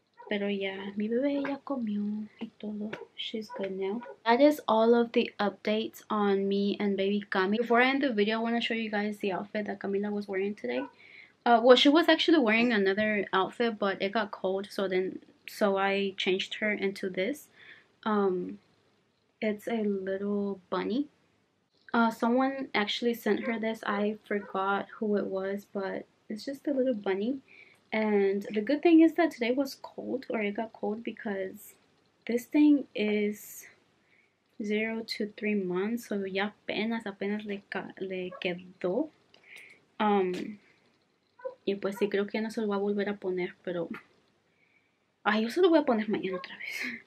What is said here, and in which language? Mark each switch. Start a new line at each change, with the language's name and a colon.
Spanish: Pero ya, mi bebé ya comió y todo.
English: She's good now. That is all of the updates on me and baby Cami. Before I end the video, I want to show you guys the outfit that Camila was wearing today. Well, she was actually wearing another outfit, but it got cold, so I changed her into this. It's a little bunny. Someone actually sent her this. I forgot who it was, but it's just a little bunny. And the good thing is that today was cold, or it got cold, because this thing is 0 to 3 months, so
Spanish: ya apenas le quedó. Y pues sí, creo que ya no se lo voy a volver a poner, pero... Ay, yo se lo voy a poner mañana otra vez.